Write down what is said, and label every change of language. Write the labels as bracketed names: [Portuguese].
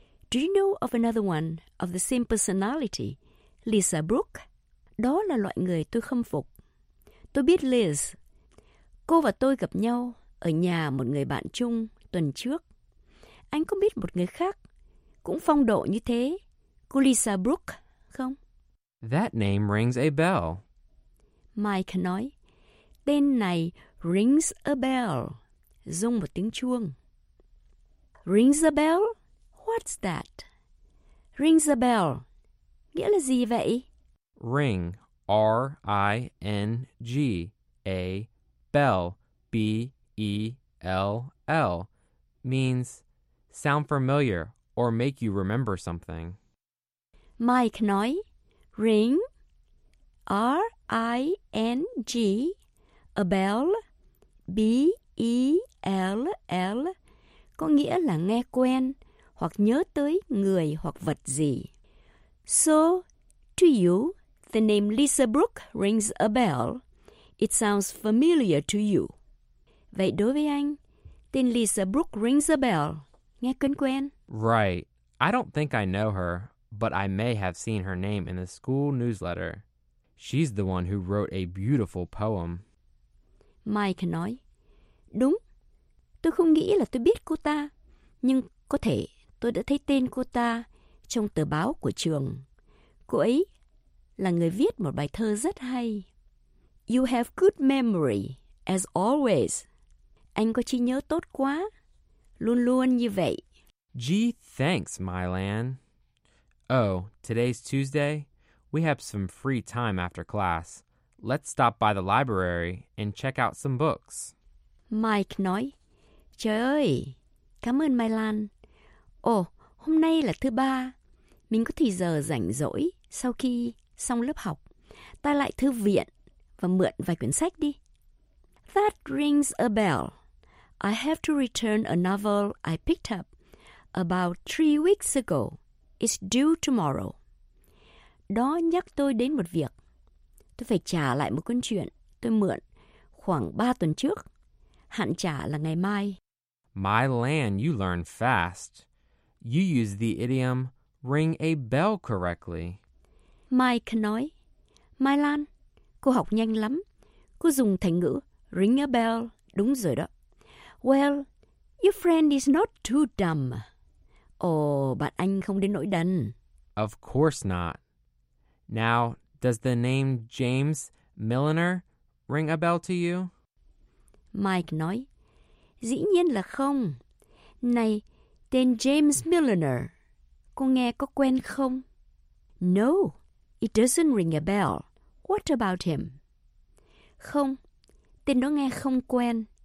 [English] Do you know of another one of the same personality? Lisa Brooke. [Vietnamese] Đó là loại người tôi khâm phục. Tôi biết Liz. Cô và tôi gặp nhau ở nhà một người bạn chung tuần trước. Anh có biết một người khác cũng phong độ như thế, cô Lisa Brooke không? [English] That name rings a bell. [Vietnamese] Mike nói, tên này rings a bell, rung một tiếng chuông. [English] Rings a bell? What's that? [Vietnamese] Rings a bell, nghĩa là gì vậy? [English] Ring, R-I-N-G, A, bell, B-E-L-L, means sound familiar or make you remember something. [Vietnamese] Mike nói, ring, R-I-N-G, a bell, B-E-L-L, có nghĩa là nghe quen hoặc nhớ tới người hoặc vật gì. [English] So, to you, the name Lisa Brooke rings a bell. It sounds familiar to you. [Vietnamese] Vậy đối với anh, tên Lisa Brooke rings a bell. Nghe quen quen. [English] Right. I don't think I know her, but I may have seen her name in the school newsletter. She's the one who wrote a beautiful poem. [Vietnamese] Mike nói, đúng. Tôi không nghĩ là tôi biết cô ta, nhưng có thể tôi đã thấy tên cô ta trong tờ báo của trường. Cô ấy là người viết một bài thơ rất hay. [English] You have good memory, as always. [Vietnamese] Anh có trí nhớ tốt quá. Luôn luôn như vậy. [English] Gee, thanks, Mylan. Oh, today's Tuesday. We have some free time after class. Let's stop by the library and check out some books. [Vietnamese] Mike nói, trời ơi, cảm ơn Mylan. Oh, hôm nay là thứ ba. Mình có thời giờ rảnh rỗi sau khi xong lớp học. Ta lại thư viện và mượn vài quyển sách đi. [English] That rings a bell. I have to return a novel I picked up about 3 weeks ago. It's due tomorrow. [Vietnamese] Đó nhắc tôi đến một việc. Tôi phải trả lại một cuốn truyện tôi mượn khoảng 3 tuần trước. Hạn trả là ngày mai. [English] My land, you learn fast. You use the idiom ring a bell correctly. [Vietnamese] Mike nói, Mai Lan, cô học nhanh lắm. Cô dùng thành ngữ ring a bell, đúng rồi đó. [English] Well, your friend is not too dumb. [Vietnamese] Oh, bạn anh không đến nỗi đần. [English] Of course not. Now, does the name James Milliner ring a bell to you? [Vietnamese] Mike nói, dĩ nhiên là không. Này, tên James Milliner, cô nghe có quen không? [English] No, it doesn't ring a bell. What about him? [Vietnamese] Không, tên đó nghe không quen.